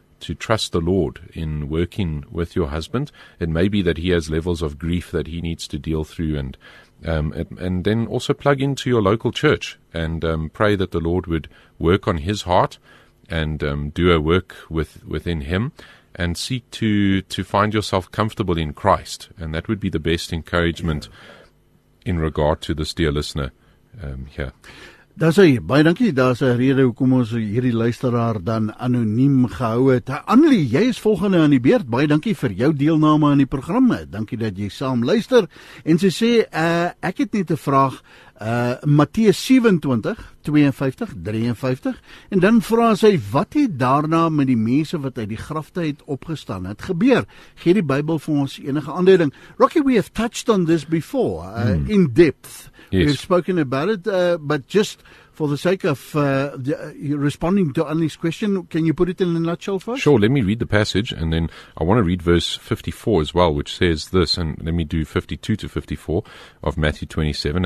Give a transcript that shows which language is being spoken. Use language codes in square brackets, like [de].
[en] to trust the Lord in working with your husband. It may be that he has levels of grief that he needs to deal through, and then also plug into your local church and pray that the Lord would work on his heart and do a work within him, and seek to find yourself comfortable in Christ. And that would be the best encouragement in regard to this dear listener here. [af] Daar's hy, baie dankie, daar's 'n rede hoekom ons hierdie luisteraar dan anoniem gehou het. Annelie, jy is volgende aan die beurt, baie dankie vir jou deelname aan die program. Dankie dat jy saam luister. En sy sê, ek het net 'n vraag, Matteus 27, 52, 53, en dan vra sy, wat het daarna met die mense wat uit die grafte het opgestaan het gebeur? Gee die Bybel vir ons enige aanduiding. [en] Rocky, we have touched on this before, in depth. Yes. We've spoken about it, but just for the sake of responding to Annie's question, can you put it in a nutshell first? Sure, let me read the passage, and then I want to read verse 54 as well, which says this, and let me do 52 to 54 of Matthew 27.